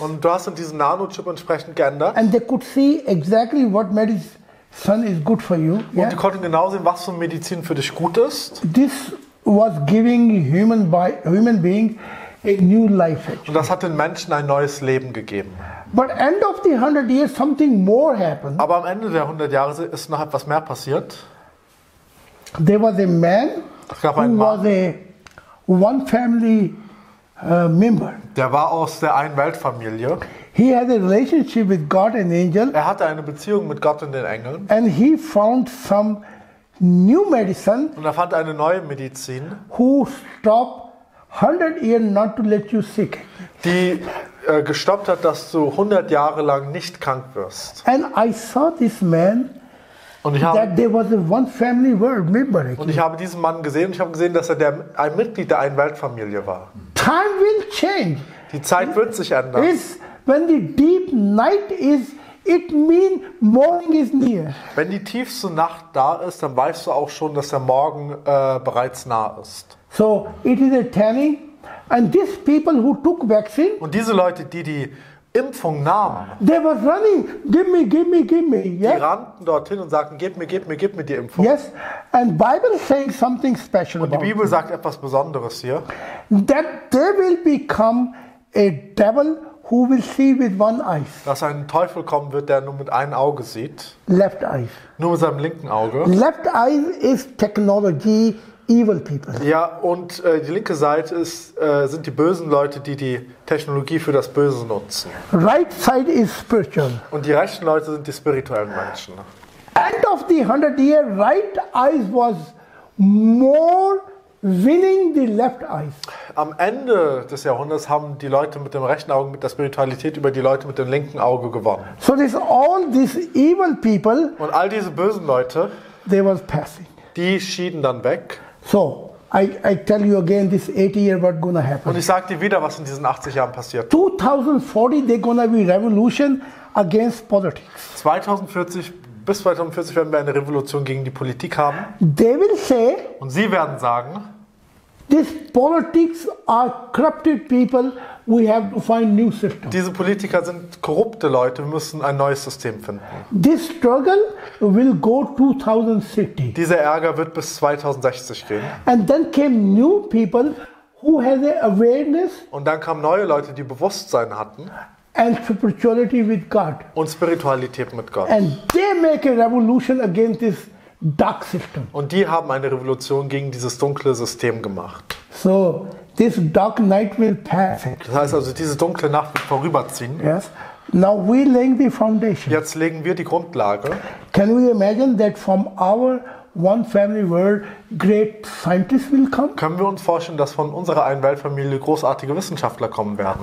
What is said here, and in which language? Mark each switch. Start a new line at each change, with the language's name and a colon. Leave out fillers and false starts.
German: Und du hast dann diesen Nanochip entsprechend geändert.
English: And they could see exactly what medicine is good for you.
German: Und die konnten genau sehen, was für Medizin für dich gut ist.
English: This was giving human being a new life. Actually.
German: Und das hat den Menschen ein neues Leben gegeben.
English: But end of the 100 years something more happened.
German: Aber am Ende der 100 Jahre ist noch etwas mehr passiert.
English: There was a man.
German: Es gab einen Mann, der
English: one family member.
German: Der war aus der einen Weltfamilie.
English: He had a relationship with God and angel.
German: Er hatte eine Beziehung mit Gott und den Engeln.
English: And he found some new medicine.
German: Und er fand eine neue Medizin.
English: Who stopped 100 years not to let you sick.
German: Die gestoppt hat, dass du 100 Jahre lang nicht krank wirst.
English: And I saw this man.
German: Und ich habe,
English: that there was a one family world member.
German: Und ich habe diesen Mann gesehen und ich habe gesehen, dass er ein Mitglied der einen Weltfamilie war.
English: Time will change.
German: Die Zeit wird sich ändern.
English: It's when the deep night is, it means morning is near.
German: Wenn die tiefste Nacht da ist, dann weißt du auch schon, dass der Morgen bereits nah ist.
English: So it is a telling, and these people who took vaccine.
German: Und diese Leute, die Impfung nahm.
English: They were running. Give me, yes?
German: Die rannten dorthin und sagten, gib mir die Impfung.
English: Yes. And Bible saying something special.
German: Und die
English: about
German: Bibel sagt etwas Besonderes hier.
English: That they will become a devil who will see with one eye.
German: Dass ein Teufel kommen wird, der nur mit einem Auge sieht.
English: Left eye.
German: Nur mit seinem linken Auge.
English: Left eye is technology, evil people.
German: Ja, und die linke Seite ist, sind die bösen Leute, die Technologie für das Böse nutzen.
English: Right side is spiritual.
German: Und die rechten Leute sind die spirituellen Menschen.
English: End of the 100 year, right eyes was more winning the left eyes.
German: Am Ende des Jahrhunderts haben die Leute mit dem rechten Auge mit der Spiritualität über die Leute mit dem linken Auge gewonnen.
English: So this all these evil people.
German: Und all diese bösen Leute.
English: They was passing.
German: Die schieden dann weg.
English: So, I tell you again, this 80 year what gonna happen?
German: Und ich sag dir wieder, was in diesen 80 Jahren passiert.
English: 2040, they gonna be revolution against politics.
German: 2040 bis 2040 werden wir eine Revolution gegen die Politik haben.
English: They will say.
German: Und sie werden sagen.
English: These politics are corrupted people. We have to find new system.
German: Diese Politiker sind korrupte Leute. Wir müssen ein neues System finden.
English: This struggle will go 2060.
German: Dieser Ärger wird bis 2060 gehen.
English: And then came new people who had awareness.
German: Und dann kamen neue Leute, die Bewusstsein hatten.
English: And spirituality with God.
German: Und Spiritualität mit Gott.
English: And they make a revolution against this dark system.
German: Und die haben eine Revolution gegen dieses dunkle System gemacht.
English: So. This dark night will pass.
German: Das heißt also, diese dunkle Nacht wird vorüberziehen.
English: Yes. Now we lay the foundation.
German: Jetzt legen wir die Grundlage.
English: Can we imagine that from our one family world, great scientists will come?
German: Können wir uns vorstellen, dass von unserer einen Weltfamilie großartige Wissenschaftler kommen werden?